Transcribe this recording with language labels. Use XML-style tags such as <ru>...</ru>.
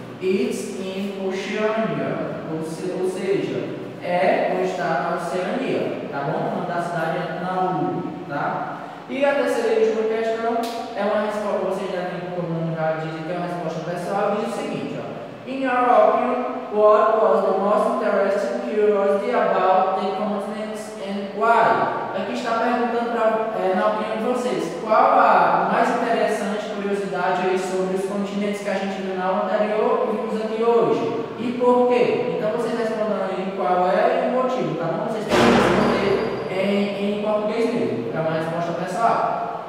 <en>It's in Oceania.</en> <pt>Ou seja, é ou está na Oceania, tá bom? Quando então, a cidade é na Ulu, tá? E a terceira e última questão é uma resposta, vocês já têm como já dizem que é uma resposta pessoal, diz o seguinte, ó.</pt> <en>In your opinion, what was the most interesting curiosity about the continents and why?</en> <pt>Aqui está perguntando pra, na opinião de vocês, qual a mais interessante curiosidade aí sobre os continentes que a gente viu na aula anterior e vimos aqui hoje? E por quê? Então vocês respondam aí qual é e o motivo, tá bom? Vocês têm que responder em português mesmo, é uma resposta pessoal.</pt>